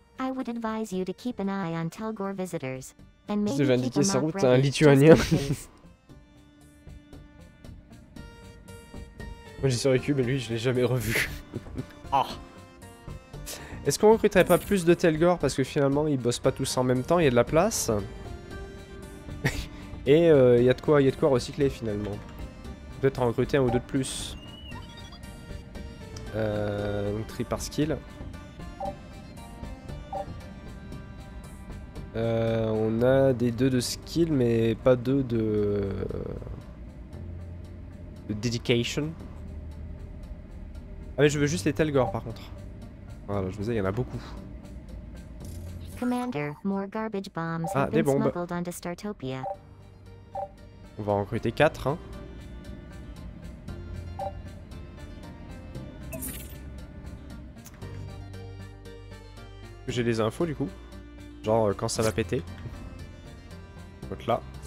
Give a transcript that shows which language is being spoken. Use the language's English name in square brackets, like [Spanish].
[English] I would advise you to keep an eye on Telgor visitors. And maybe [French] je vais indiquer sa route à un lituanien. Moi j'ai survécu, mais lui je l'ai jamais revu. Oh. Est-ce qu'on recruterait pas plus de Telgor parce que finalement ils bossent pas tous en même temps, il y a de la place. Et il y a de quoi recycler finalement. Peut-être en recruter un ou deux de plus. Donc tri par skill. On a des deux de skill mais pas deux de dedication. Ah mais je veux juste les Telgor par contre. Voilà, je vous disais, il y en a beaucoup. [English] Commander, more garbage bombs have been smuggled onto Startopia. [French] On va en recruter 4 hein. J'ai des infos du coup. Genre quand ça va péter. Donc là.